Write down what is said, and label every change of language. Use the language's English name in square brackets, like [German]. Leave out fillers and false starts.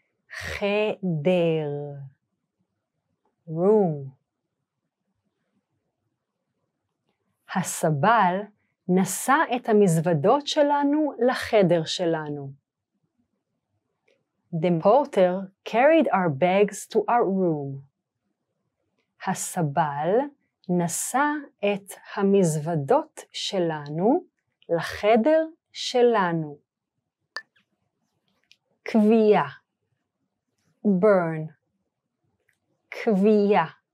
[Hebrew] חדר. [English] Room. [Hebrew] הסבל נסע את המזוודות שלנו לחדר שלנו. [English] The porter carried our bags to our room. [Hebrew] הסבל נסע את המזוודות שלנו לחדר שלנו. כביעה. [English] Burn. [Hebrew] כביעה.